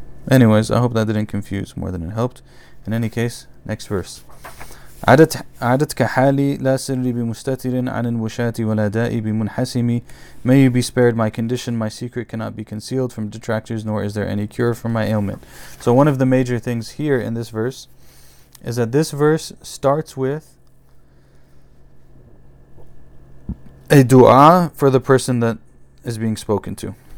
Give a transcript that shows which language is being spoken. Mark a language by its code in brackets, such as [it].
[en] Anyways, I hope that didn't confuse more than it helped. In any case, next verse. [ar] عادتك حالي لا سري بمستتر عن الوشاة ولا دائي بمنحسمي. [en] May you be spared my condition, my secret cannot be concealed from detractors, nor is there any cure for my ailment. So one of the major things here in this verse is that this verse starts with a dua for the person that is being spoken to.